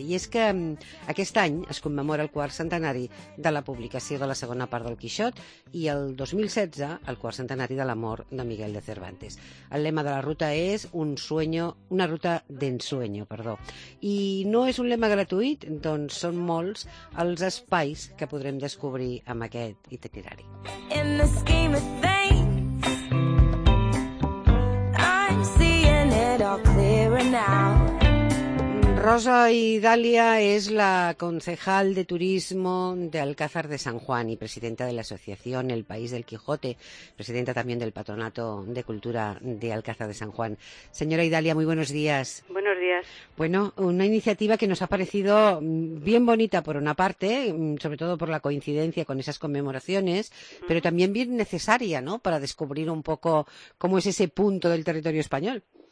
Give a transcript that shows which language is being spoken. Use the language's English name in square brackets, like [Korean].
[Catalan] I és que aquest any es commemora el quart centenari de la publicació de la segona part del Quixot i el 2016 el quart centenari de la mort de Miguel de Cervantes. El lema de la ruta és una ruta d'ensueño. I no és un lema gratuït, doncs són molts els espais que podrem descobrir amb aquest itinerari. [English] In the scheme of things, I'm seeing it all clearer now. [Spanish] Rosa Idalia es la concejal de turismo de Alcázar de San Juan y presidenta de la asociación El País del Quijote, presidenta también del Patronato de Cultura de Alcázar de San Juan. Señora Idalia, muy buenos días. Buenos días. Bueno, una iniciativa que nos ha parecido bien bonita por una parte, sobre todo por la coincidencia con esas conmemoraciones, pero también bien necesaria, ¿no?, para descubrir un poco cómo es ese punto del territorio español.